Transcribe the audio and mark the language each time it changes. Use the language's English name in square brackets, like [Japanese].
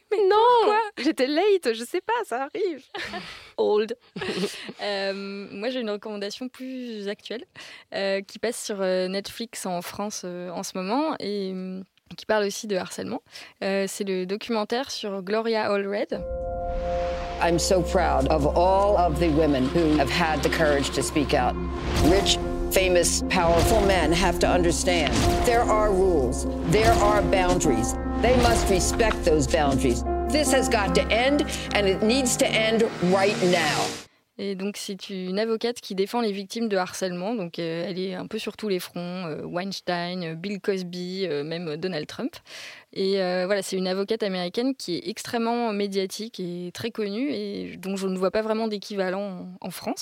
[French] Mais non, j'étais late, je sais pas, ça arrive. [English] Old. [French] Moi, j'ai une recommandation plus actuelle qui passe sur Netflix en France en ce moment et qui parle aussi de harcèlement. C'est le documentaire sur Gloria Allred. [English] I'm so proud of all of the women who have had the courage to speak out. Rich, famous, powerful men have to understand. There are rules, there are boundaries. They must respect those boundaries. This has got to end, and it needs to end right now. [French] Et donc, c'est une avocate qui défend les victimes de harcèlement. Donc, elle est un peu sur tous les fronts. Weinstein, Bill Cosby, même Donald Trump. Et voilà, c'est une avocate américaine qui est extrêmement médiatique et très connue, et dont je ne vois pas vraiment d'équivalent en France.